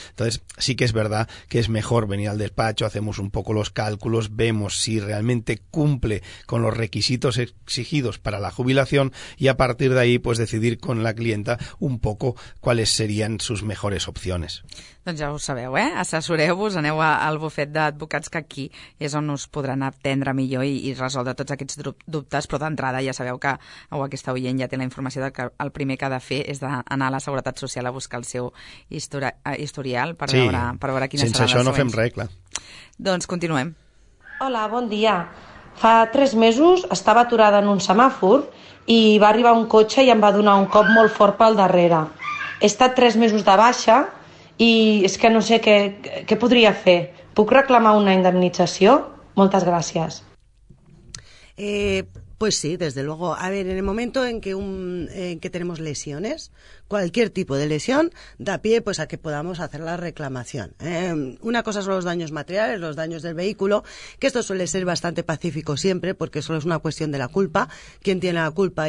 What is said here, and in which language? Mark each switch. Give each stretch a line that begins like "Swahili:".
Spanish: Entonces, sí que es verdad que es mejor venir al despacho, hacemos un poco los cálculos, vemos si realmente cumple con los requisitos exigidos para la jubilación y a partir de ahí, pues decidir con la clienta un poco cuáles serían sus mejores opciones.
Catalan: Doncs ja ho sabeu, eh? Assessoreu-vos, aneu al bufet d'advocats, que aquí és on us podran atendre millor i resoldre tots aquests dubtes, però d'entrada ja sabeu que, o aquesta oient ja té la informació de que el primer que ha de fer és d'anar a la Seguretat Social a buscar el seu historial per veure quines seran les següents. Sense això no fem res, clar. Doncs continuem. Hola, bon dia. Fa 3 mesos estava aturada en un semàfor i va arribar un cotxe i em va donar un cop molt fort pel darrere. He estat 3 mesos de baixa i és que no sé què podria fer. Puc reclamar una indemnització? Moltes gràcies.
Spanish: Pues sí, desde luego. A ver, en el momento en que tenemos lesiones, cualquier tipo de lesión da pie pues a que podamos hacer la reclamación. Una cosa son los daños materiales, los daños del vehículo, que esto suele ser bastante pacífico siempre, porque solo es una cuestión de la culpa. ¿Quién tiene la culpa?